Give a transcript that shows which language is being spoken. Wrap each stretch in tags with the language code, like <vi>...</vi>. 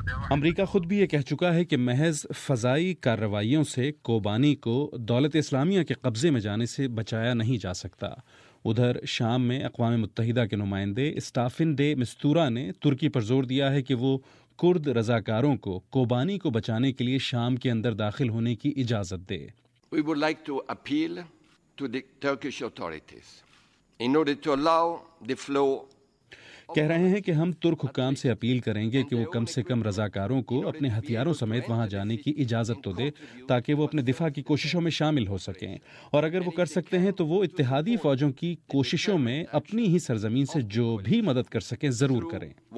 <ur>امریکہ خود بھی یہ کہہ چکا ہے کہ محض فضائی کارروائیوں سے کوبانی کو دولت اسلامیہ کے قبضے میں جانے سے بچایا نہیں جا سکتا. ادھر شام میں اقوام متحدہ کے نمائندے اسٹافن ڈے مستورا نے ترکی پر زور دیا ہے کہ وہ کرد رضاکاروں کو کوبانی کو بچانے کے لیے شام کے اندر داخل ہونے کی اجازت دے.</ur> <en>We would like to appeal to the Turkish authorities in order to allow the flow.</en> <ur>کہہ رہے ہیں کہ ہم ترک حکام سے اپیل کریں گے کہ وہ کم سے کم رضاکاروں کو اپنے ہتھیاروں سمیت وہاں جانے کی اجازت تو دے تاکہ وہ اپنے دفاع کی کوششوں میں شامل ہو سکیں, اور اگر وہ کر سکتے ہیں تو وہ اتحادی فوجوں کی کوششوں میں اپنی ہی سرزمین سے جو بھی مدد کر سکیں ضرور کریں.</ur>